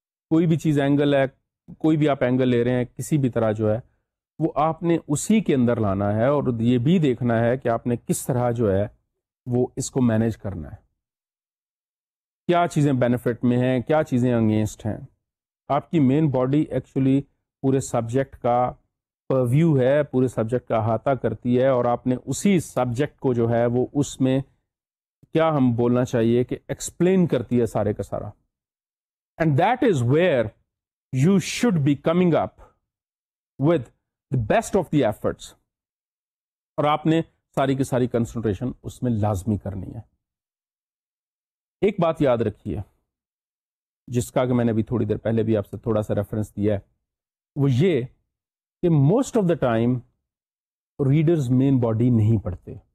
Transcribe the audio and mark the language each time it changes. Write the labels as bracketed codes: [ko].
[ur] کوئی بھی چیز اینگل ہے, کوئی بھی آپ اینگل لے رہے ہیں کسی بھی طرح جو ہے وہ آپ نے اسی کے اندر لانا ہے, اور یہ بھی دیکھنا ہے کہ آپ نے کس طرح جو ہے وہ اس کو مینیج کرنا ہے, کیا چیزیں بینیفٹ میں ہیں, کیا چیزیں اگینسٹ ہیں. آپ کی مین باڈی ایکچولی پورے سبجیکٹ کا پرویو ہے, پورے سبجیکٹ کا احاطہ کرتی ہے, اور آپ نے اسی سبجیکٹ کو جو ہے وہ اس میں کیا ہم بولنا چاہیے کہ ایکسپلین کرتی ہے سارے کا سارا. [en] And that is where you should be coming up with the best of the efforts. [ur] اور آپ نے ساری کی ساری کنسنٹریشن اس میں لازمی کرنی ہے. ایک بات یاد رکھی ہے جس کا کہ میں نے ابھی تھوڑی دیر پہلے بھی آپ سے تھوڑا سا ریفرنس دیا ہے, وہ یہ کہ most of the time readers main body نہیں پڑھتے.